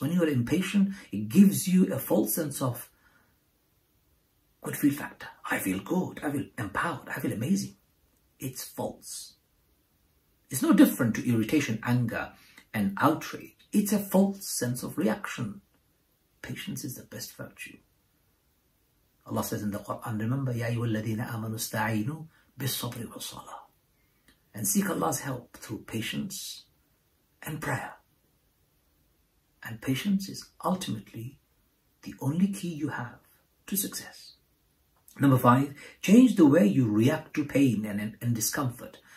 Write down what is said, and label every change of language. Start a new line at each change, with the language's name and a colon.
English: When you are impatient, it gives you a false sense of good feel factor. I feel good. I feel empowered. I feel amazing. It's false. It's no different to irritation, anger, and outrage. It's a false sense of reaction. Patience is the best virtue. Allah says in the Quran, remember,
Arabic: يَا أَيُّهَا الَّذِينَ آمَنُوا اسْتَعِينُوا بِالصَّبْرِ وَالصَّلَاةِ.
English: And seek Allah's help through patience and prayer. And patience is ultimately the only key you have to success. Number five, change the way you react to pain and discomfort.